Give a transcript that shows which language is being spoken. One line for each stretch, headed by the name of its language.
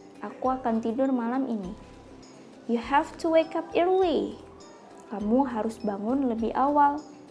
Indonesian: Aku akan tidur malam ini.
English: You have to wake up early.
Indonesian: Kamu harus bangun lebih awal.